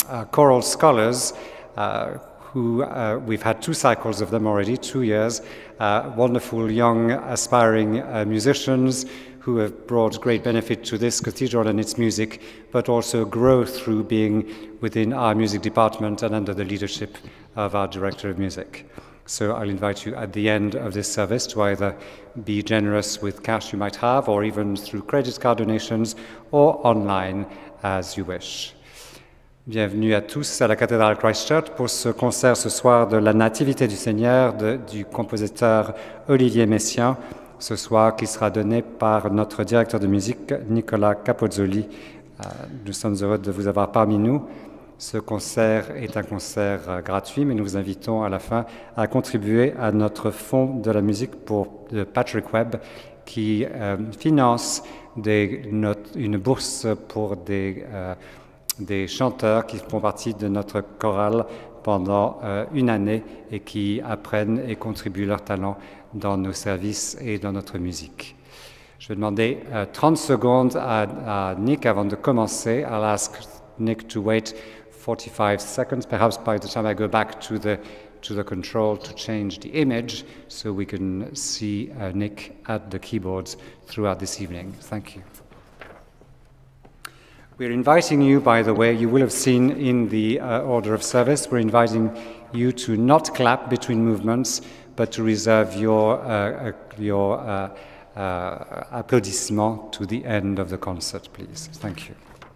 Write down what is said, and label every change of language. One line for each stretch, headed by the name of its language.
English: choral scholars who we've had 2 cycles of them already, 2 years, wonderful young aspiring musicians who have brought great benefit to this cathedral and its music, but also grow through being within our music department and under the leadership of our director of music. So I'll invite you at the end of this service to either be generous with cash you might have, or even through credit card donations, or online as you wish.
French: Bienvenue à tous à la cathédrale Christchurch pour ce concert ce soir de la Nativité du Seigneur du compositeur Olivier Messiaen, ce soir qui sera donné par notre directeur de musique, Nicolas Capuzzoli. Nous sommes heureux de vous avoir parmi nous. Ce concert est un concert gratuit, mais nous vous invitons à la fin à contribuer à notre fonds de la musique pour Patrick Webb, qui finance une bourse pour des chanteurs qui font partie de notre chorale pendant une année et qui apprennent et contribuent leur talent dans nos services et dans notre musique. Je vais demander 30 secondes à Nick avant de commencer.
English: I'll ask Nick to wait 45 seconds, perhaps by the time I go back to the control to change the image so we can see Nick at the keyboards throughout this evening. Thank you. We're inviting you, by the way, you will have seen in the order of service, we're inviting you to not clap between movements, but to reserve your applaudissement to the end of the concert, please. Thank you.